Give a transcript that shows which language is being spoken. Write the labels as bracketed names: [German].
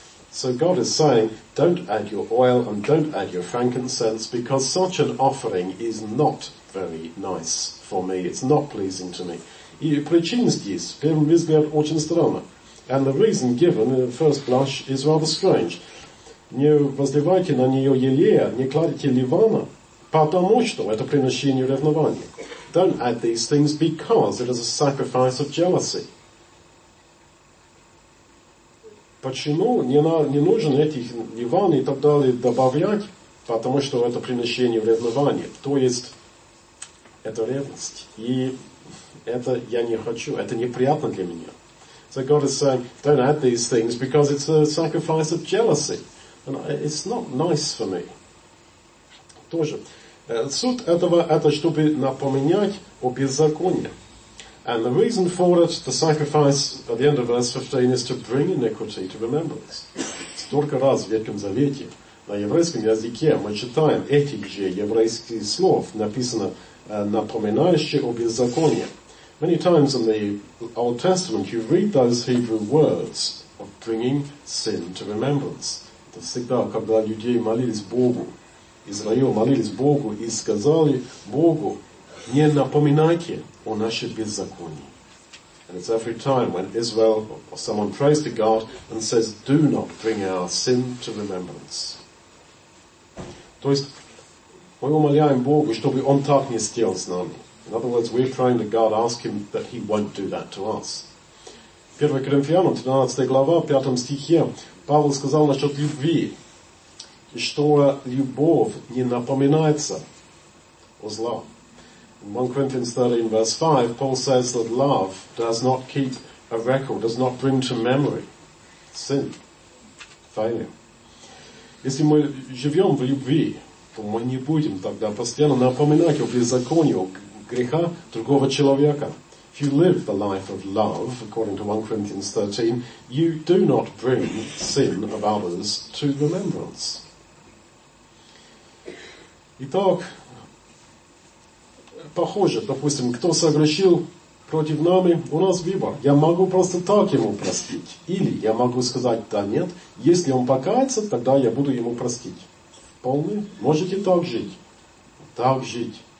[English] So God is saying, don't add your oil and don't add your frankincense, because such an offering is not very nice for me, it's not pleasing to me. [Russian] И причина здесь, в первом взгляде, очень странно. [English] And the reason given in the first blush is rather strange. [Russian] Не возливайте на нее елея, не кладите ливана, потому что это приношение ревнования. [English] Don't add these things because it is a sacrifice of jealousy. [Russian] Почему не нужен этих ливан и так далее добавлять, потому что это приношение ревнования. То есть, это ревность. И это я не хочу, это неприятно для меня. [English] So God is saying, don't add these things because it's a sacrifice of jealousy. And it's not nice for me. [Russian] Тоже. Суть этого, это чтобы напоминать о беззаконии. [English] And the reason for it, the sacrifice at the end of verse 15 is to bring iniquity to remembrance. [Russian] Столько раз в Ветхом Завете на еврейском языке мы читаем эти же еврейские слов, написано напоминающие о беззаконии. [English] Many times in the Old Testament you read those Hebrew words of bringing sin to remembrance. [Russian] Это всегда, когда люди молились Богу, Израил молились Богу и сказали Богу, не напоминайте о нашей беззаконии. [English] And it's every time when Israel or someone prays to God and says, do not bring our sin to remembrance. [Russian] То есть, мы умоляем Богу, чтобы Он так не сделал с нами. [English] In other words, we're praying to God, ask Him that He won't do that to us. [Russian] 1 Коринфянам, 13 глава, 5 стихе, Павел сказал насчет любви, что любовь не напоминается о зла. [English] In 1 Corinthians 13, verse 5, Paul says that love does not keep a record, does not bring to memory sin, failure. [Russian] Если мы живем в любви, то мы не будем тогда постоянно напоминать о беззаконии, о греха другого человека. [English] If you live the life of love, according to 1 Corinthians 13, you do not bring sin of others to remembrance. [Russian] Итак, похоже, допустим, кто согрешил против нами, у нас выбор. Я могу просто так ему простить. Или я могу сказать, да нет, если он покается, тогда я буду ему простить. Вполне. Можете так жить. Так жить.